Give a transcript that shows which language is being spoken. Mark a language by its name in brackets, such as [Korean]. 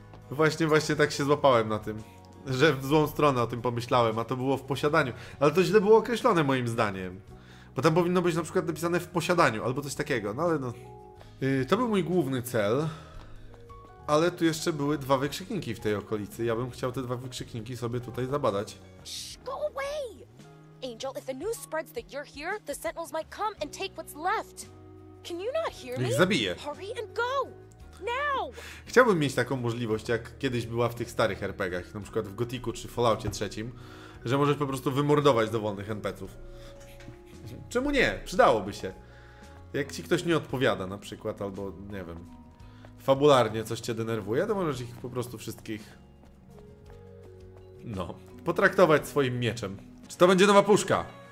[Polish] Właśnie tak się złapałem na tym. Że w złą stronę o tym pomyślałem, a to było w posiadaniu. Ale to źle było określone moim zdaniem. Bo tam powinno być na przykład napisane w posiadaniu, albo coś takiego, no ale no... To był mój główny cel, ale tu jeszcze były dwa wykrzykniki w tej okolicy. Ja bym chciał te dwa wykrzykniki sobie tutaj zabadać. [English] Go away! Angel, if the news spreads that you're here, the sentinels might come and take what's left. Can you not hear me? [Polish] Ich zabiję. [English] Hurry and go! Now! [Polish] Chciałbym mieć taką możliwość, jak kiedyś była w tych starych RPGach, na przykład w Gothiku czy Falloutie trzecim, że możesz po prostu wymordować dowolnych NPC-ów. Czemu nie? Przydałoby się. Jak ci ktoś nie odpowiada na przykład, albo nie wiem, fabularnie coś cię denerwuje, to możesz ich po prostu wszystkich, no, potraktować swoim mieczem. Czy to będzie nowa puszka?